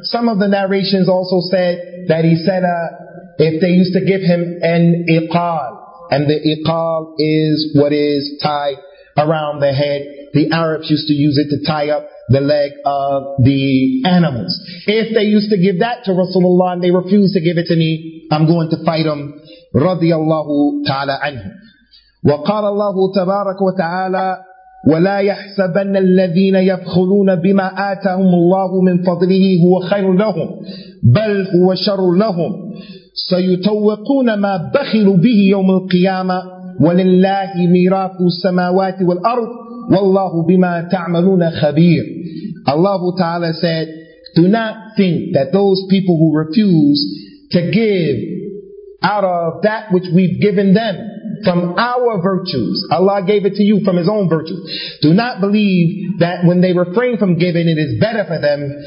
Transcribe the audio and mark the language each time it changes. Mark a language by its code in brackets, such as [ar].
[en] Some of the narrations also said that he said, if they used to give him an iqal, and the iqal is what is tied around the head. The Arabs used to use it to tie up the leg of the animals. If they used to give that to Rasulullah and they refused to give it to me, I'm going to fight him. Radiallahu ta'ala anhu. [ar] وقال الله تبارك وتعالى ولا يحسبن الذين يبخلون بما آتاهم الله من فضله هو خير لهم بل هو شر لهم سيتوقون ما بخلوا به يوم القيامة ولله ميراث السماوات والأرض والله بما تعملون خبير. [en] الله تعالى said, do not think that those people who refuse to give out of that which we've given them, from our virtues. Allah gave it to you from His own virtues. Do not believe that when they refrain from giving, it is better for them.